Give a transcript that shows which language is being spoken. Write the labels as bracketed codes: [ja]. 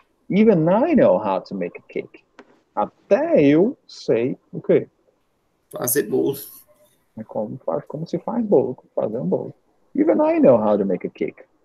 [en] Even I know how to make a cake. [pt] Até eu sei o quê? Fazer bolo. É como se faz bolo, fazer um bolo. [en] Even I know how to make a cake.